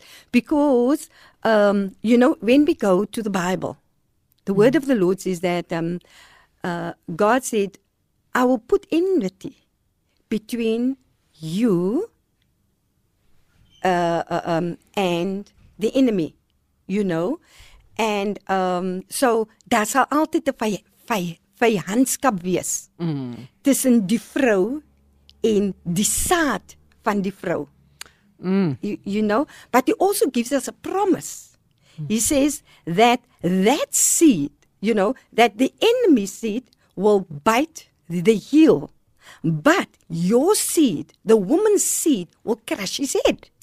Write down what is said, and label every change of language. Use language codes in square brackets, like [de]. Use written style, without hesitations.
[en] Because, you know, when we go to the Bible, the word of the Lord says that God said, I will put enmity between you and the enemy, you know. And so, [af] daar sal altyd 'n vyandskap wees tussen die vrou en die saad van die vrou. [en] You know, but he also gives us a promise. He says that that seed, you know, that the enemy seed will bite the heel, but your seed, the woman's seed, will crush his head.